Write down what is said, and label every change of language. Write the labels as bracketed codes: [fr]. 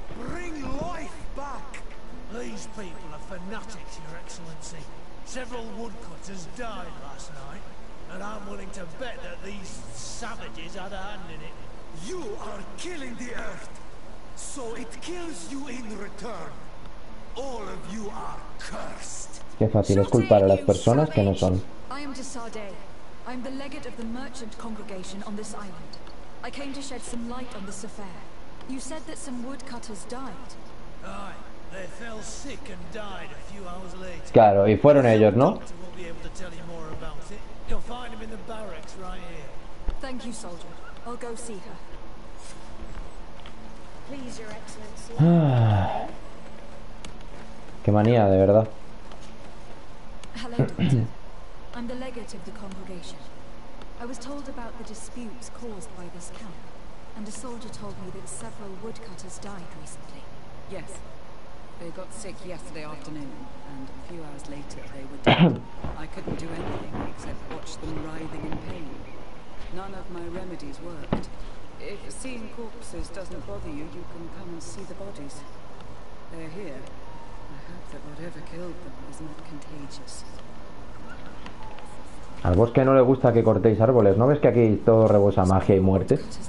[en] Bring life back. These people are fanatics, Your Excellency. Several woodcutters died last night, and I'm willing to bet that these savages had a hand in it. You are killing the earth, so it kills you in return. All of you are cursed. [es] Qué fácil es culpar a las personas que no son. [en] I am Desarde. I am the legate of the merchant congregation on this island. I came to shed some light on this affair. You said that some woodcutters died. Aye, they fell sick and died a few hours later. [es] Claro, y fueron ellos, ¿no? [en] We'll be able to tell you more about it. You'll find him in the barracks right here. Thank you, soldier. I'll go see her. Please, Your Excellency. [es] Qué manía, de verdad. [en] Hello, doctor. I'm the legate of the congregation. I was told about the disputes caused by this camp, and a soldier told me that several woodcutters died recently. Yes, they got sick yesterday afternoon, and a few hours later they were dead. I couldn't do anything except watch them writhing in pain. None of my remedies worked. If seeing corpses doesn't bother you, you can come and see the bodies. They're here. I hope that whatever killed them is not contagious. [es] Al bosque no le gusta que cortéis árboles. ¿No ves que aquí todo rebosa magia y muerte?